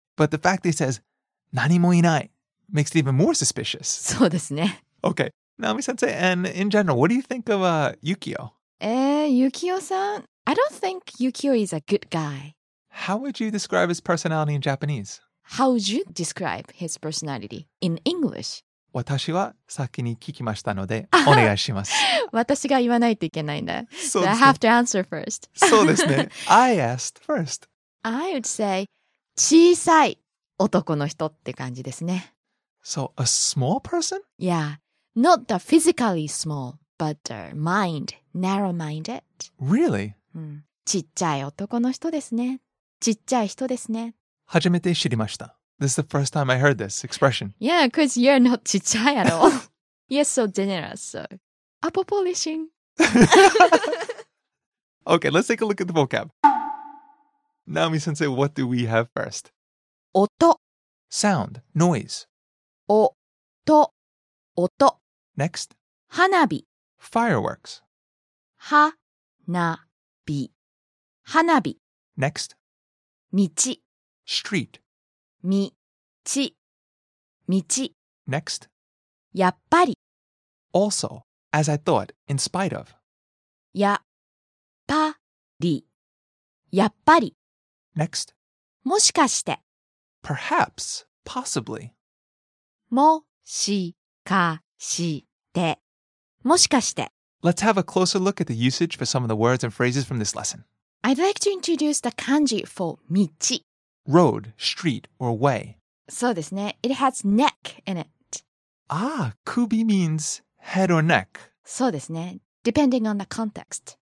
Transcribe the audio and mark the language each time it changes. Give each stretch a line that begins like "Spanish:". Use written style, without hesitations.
English: But the fact that he says,
Japanese: 何もいない,
English: makes it even more suspicious.
Japanese: そうですね。
English: Okay. Naomi-sensei, and in general, what do you think of Yukio? Yukio-san? I don't think Yukio is a good guy. How would you describe his personality in Japanese? How would you describe his personality in English?
Japanese: 私は先に聞きましたので、お願いします。私が言わないといけないんだ。
English: So I have to answer first.
Japanese: そうですね。
English: I asked first. I would say,
Japanese: 小さい男の人って感じですね。
English: So, a small person? Yeah. Not the physically small, but the mind, narrow-minded. Really?
Japanese: ちっちゃい男の人ですね。ちっちゃい人ですね。初めて知りました。
English: This is the first time I heard this expression. Yeah, because you're not
Japanese: ちっちゃい
English: at all. You're so generous, so... Apple polishing. Okay, let's take a look at the vocab. Naomi-sensei, what do we have first?
Japanese: 音
English: Sound, noise.
Japanese: 音音
English: Next.
Japanese: 花火
English: Fireworks.
Japanese: 花火花火
English: Next.
Japanese: 道
English: Street.
Japanese: 道道
English: Next.
Japanese: やっぱり
English: Also, as I thought, in spite of.
Japanese: やっぱりやっぱり
English: Next.
Japanese: もしかして
English: Perhaps, possibly.
Japanese: もしかしてもしかして
English: Let's have a closer look at the usage for some of the words and phrases from this lesson. I'd like to introduce the kanji for 道 Road, street, or way.
Japanese: そうですね。
English: It has neck in it. Ah, kubi means head or neck.
Japanese: そうですね。
English: Depending on the context.